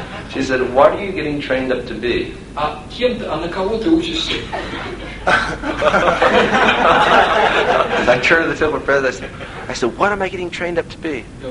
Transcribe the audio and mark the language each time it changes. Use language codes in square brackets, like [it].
[en] She said, what are you getting trained up to be? [ru] А кем ты, а на кого ты учишься? [en] I turned to the temple president. I said, what am I getting trained up to be?